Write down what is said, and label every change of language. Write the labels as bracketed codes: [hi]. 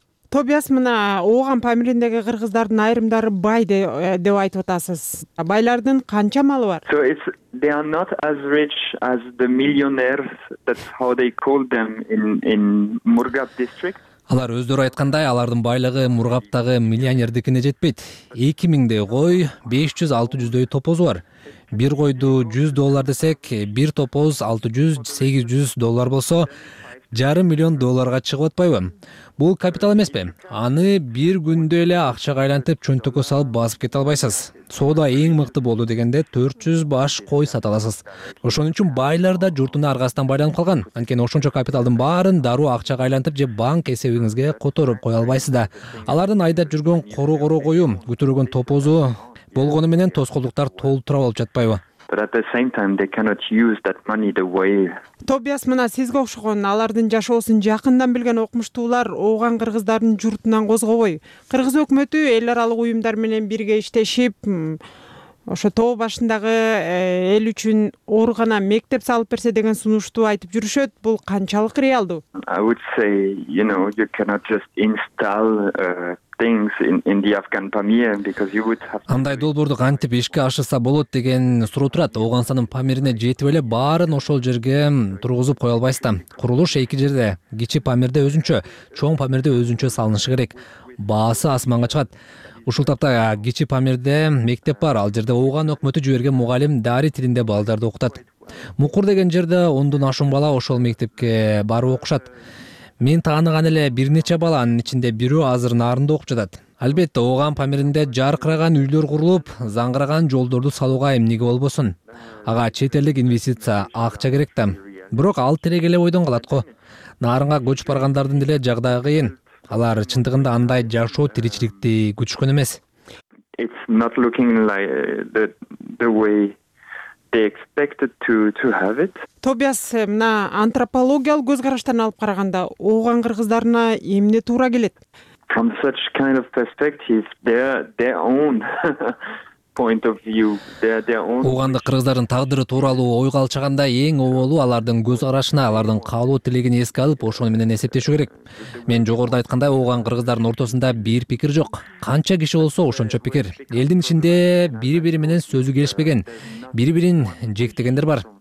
[ky] Тобиас, мына ооган памириндеги кыргыздардын айрымдары бай деп айтып атасыз. Байлардын канча малы бар? [en] They are not as rich as the millionaires, that's how they call them in Murghab district. [ky] Алар өздөрү айткандай, алардын байлыгы Мургаптагы миллионердикине жетпейт. 2000 кой, 500-600 топозу бар. Бир койду 100 доллар десек, бир топоз 600-800 доллар болсо, жарым миллион долларга чыгып атпайбы? Бул капитал эмеспи? Аны бир күндө эле акчага айлантып, чөнтөккө салып басып кете албайсыз. Соода эң мыкты болду дегенде 400 баш кой сата аласыз. Ошон үчүн байлар да журтуна аргасынан байланып калган. Анткени ошончо капиталдын баарын дароо акчага айлантып же банк эсебиңизге которуп кое албайсыз да. Алардын айдап жүргөн короо-короо кою, күтүргөн топозу болгону менен тоскоолдуктар толтура болуп жатпайбы? [en] But at the same time they cannot use that money the way. [ky] Тобиас, мына сизге окшогон алардын жашоосун жакындан билген окумуштуулар ооган кыргыздардын журтунан козгобой. Кыргыз өкмөтү эл аралык уюмдар менен бирге иштешип, ошо тоо башындагы эл үчүн ооругана, мектеп салып берсе деген сунушту айтып жүрүшөт. Бул канчалык реалдуу? [en] I would say, you know, you cannot just install things in the Afghan Pamir because you would have [ky] андай долбоорду кантип ишке ашырса болот деген суроо турат. Оогансанын Памирине жетип эле баарын ошол жерге тургузуп кое албайсыз да. Курулуш эки жерде, кичи Памирде өзүнчө, чоң Памирде өзүнчө салынышы керек. Баасы асманга чыгат. Ушул тапта кичи Памирде мектеп бар. Ал жерде ооган өкмөтү жиберген мугалим дары тилинде балдарды окутат. Мукур деген жерде 10 ашуун бала ошол мектепке барып окушат. Мен тааныган эле бир нече бала, анын ичинде бирөө азыр Нарында окуп жатат. Албетте, ооган памиринде жаркыраган үйлөр курулуп, заңгыраган жолдорду салууга эмнеге болбосун. Ага чет элдик инвестиция, акча керек да. Бирок ал тирек эле ойдон калат го. Нарынга көчүп баргандардын деле жагдайы кыйын. Алар чындыгында андай жашоо тиричиликти күтүшкөн эмес. [en] It's not looking like the way they expected to have it. [ky] Тобиас, мына антропологиялык көз караштан алып караганда ооган кыргыздарына эмне туура келет? [en] From such kind of perspective, their own point of view, their own. [ky] Угандык кыргыздардын тагдыры тууралуу ой калчыганда эң оолу алардын көз карашына, алардын каалоо тилегин эске алып, ошону менен эсептешүү керек. Мен жогоруда айткандай, уган кыргыздардын ортосунда бир пикир жок. Канча киши болсо, ошончо пикир. Элдин ичинде бири-бири менен сөзү келишпеген, бири-бирин жектегендер бар.